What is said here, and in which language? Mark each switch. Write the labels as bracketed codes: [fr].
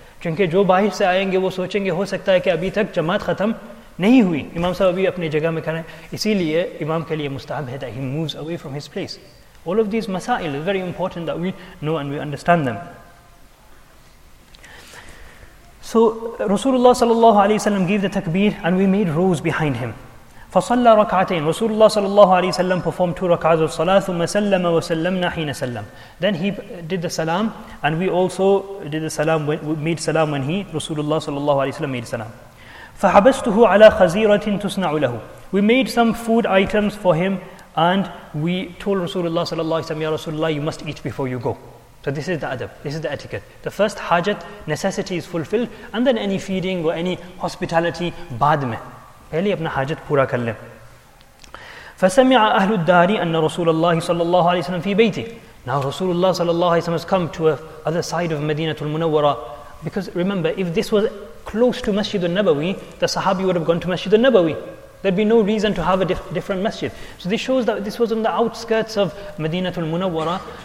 [ur] Because جو باہر سے آئیں گے وہ سوچیں گے ہو سکتا ہے کہ ابھی تک جماعت ختم نہیں ہوئی امام صاحب ابھی اپنی جگہ میں کھڑے ہیں اسی لیے امام کے لیے مستحب ہے [en] that he moves away from his place. All of these masail are very important that we know and we understand them. So Rasulullah sallallahu alayhi wa sallam gave the takbir and we made rows behind him. [ar] فَصَلَّ رَكْعَتَيْنِ رَسُولُ اللَّهِ صَلَى اللَّهُ عَلَيْهِ وَسَلَّمَ [en] performed two rak'ahs of salah [ar] ثُمَّ سَلَّمَ وَسَلَّمْنَا حِينَ سَلَّمْ. [en] Then he did the salam and we also did the salam, made salam when he, رسول الله صلى الله عليه وسلم, made salam. [ar] فَحَبَسْتُهُ عَلَى خَزِيرَةٍ تُسْنَعُ لَهُ. [en] We made some food items for him and we told رسول الله صلى الله عليه وسلم, يا رسول الله, you must eat before you go. So this is the adab, this is the etiquette. The first hajat, necessity is fulfilled, and then any feeding or any hospitality [ur] بعد میں. پہلے اپنا حاجت پورا کر لیں. [ar] فسمع اهل الدار ان رسول الله صلى الله عليه وسلم في بيته. [en] Now Rasulullah صلى الله عليه وسلم has come to the other side of مدينة المنورة, because remember, if this was close to Masjid al-Nabawi, the Sahabi would have gone to Masjid al-Nabawi. There'd be no reason to have a different masjid. So this shows that this was on the outskirts of مدينة المنورة.